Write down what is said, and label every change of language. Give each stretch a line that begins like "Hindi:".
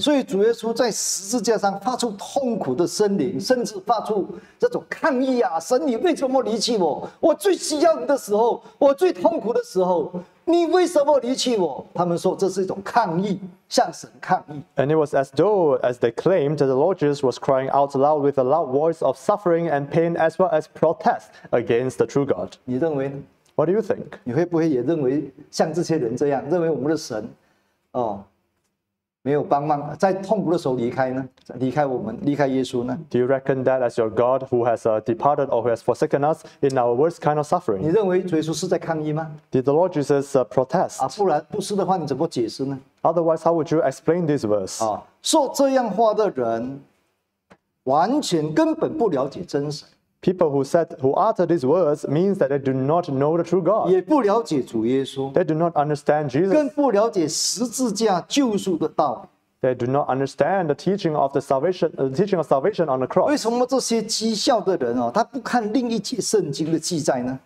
Chinese: 所以主耶稣在十字架上发出痛苦的呻吟，甚至发出这种抗议啊！神，你为什么离弃我？我最需要你的时候，我最痛苦的时候，你为什么离弃我？他们说这是一种抗议，向神抗议。
English: And it was as though, as they claimed, the Lord Jesus was crying out loud with a loud voice of suffering and pain, as well as protest against the true God.
Chinese: 你认为呢？
English: What do you think?
Chinese: 你会不会也认为像这些人这样，认为我们的神，哦，没有帮忙，在痛苦的时候离开呢？离开我们，离开耶稣呢
English: ？Do you reckon that as your God who has departed or who has forsaken us in our worst kind of suffering?
Chinese: 你认为耶稣是在抗议吗
English: ？Did the Lord Jesus protest?
Chinese: 啊，不然不是的话，你怎么解释呢
English: ？Otherwise, how would you explain this verse?
Chinese: 啊，说这样话的人，完全根本不了解真神。
English: People who said, who utter these words means that they do not know the true God.
Chinese: 也不了解主耶稣。
English: They do not understand Jesus.
Chinese: 更不了解十字架救赎的道。
English: They do not understand the teaching of the salvation, the teaching of salvation on the cross.
Chinese: 为什么这些讥笑的人哦，他不看另一节圣经的记载呢